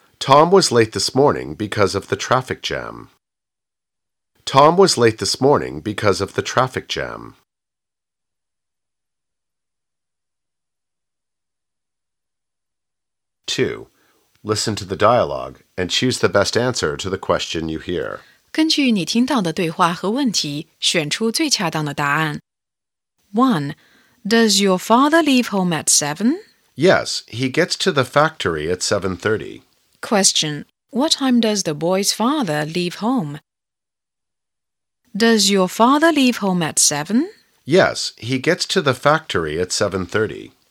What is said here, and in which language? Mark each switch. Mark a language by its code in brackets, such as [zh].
[en] Tom was late this morning because of the traffic jam. Tom was late this morning because of the traffic jam. 2. Listen to the dialogue and choose the best answer to the question you hear. [zh] 根据你听到的对话和问题，选出最恰当的答案。 [en] 1. Does your father leave home at 7? Yes, he gets to the factory at 7:30. Question. What time does the boy's father leave home? Does your father leave home at 7? Yes, he gets to the factory at 7:30.